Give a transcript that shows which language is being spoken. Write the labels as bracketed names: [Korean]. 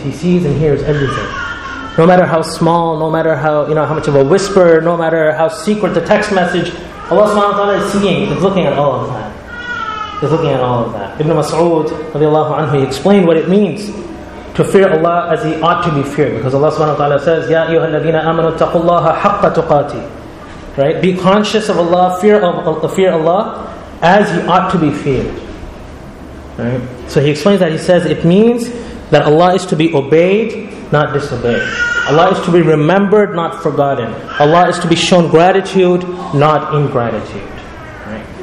[English] He sees and hears everything. No matter how small, no matter how, you know, how much of a whisper, no matter how secret the text message, Allah subhanahu wa ta'ala is seeing. He's looking at all of that. He's looking at all of that. Ibn Mas'ud radiallahu anhu, he explained what it means to fear Allah as He ought to be feared. Because Allah subhanahu wa ta'ala says, [Arabic] يَا أَيُّهَا الَّذِينَ آمَنُوا اتَّقُوا اللَّهَ حَقَّ تُقَاتِي. [English] Right? Be conscious of Allah, fear Allah as He ought to be feared. Right? So he explains that, he says, it means that Allah is to be obeyed, not disobeyed. Allah is to be remembered, not forgotten. Allah is to be shown gratitude, not ingratitude. Right?